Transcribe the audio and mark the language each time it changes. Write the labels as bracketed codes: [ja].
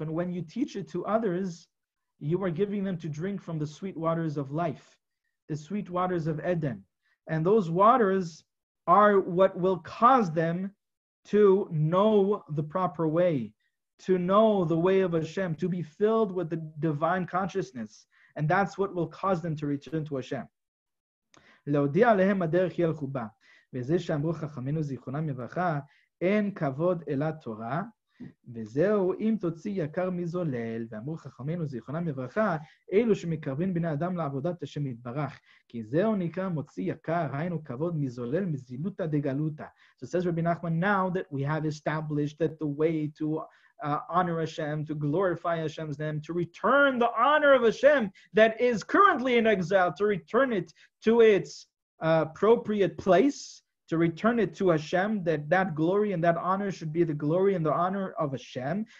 [en] And when you teach it to others, you are giving them to drink from the sweet waters of life, the sweet waters of Eden. And those waters are what will cause them to know the proper way, to know the way of Hashem, to be filled with the divine consciousness. And that's what will cause them to return to Hashem. [he] להודיע להם הדרך יהיה לחובה. וזה שאמרו חכמינו זיכרונם יברכה, אין כבוד אלא תורה. וזהו, אם תוציא יקר מזולל, ואמרו חכמינו זיכרונם יברכה, אלו שמקרבים בני אדם לעבודת השם יתברך. כי זהו נקרא מוציא יקר, היינו כבוד מזולל מזילותא דגלותא. [en] So says Rabbi Nachman, now that we have established that the way to honor Hashem, to glorify Hashem's name, to return the honor of Hashem that is currently in exile, to return it to its appropriate place, to return it to Hashem, that glory and that honor should be the glory and the honor of Hashem.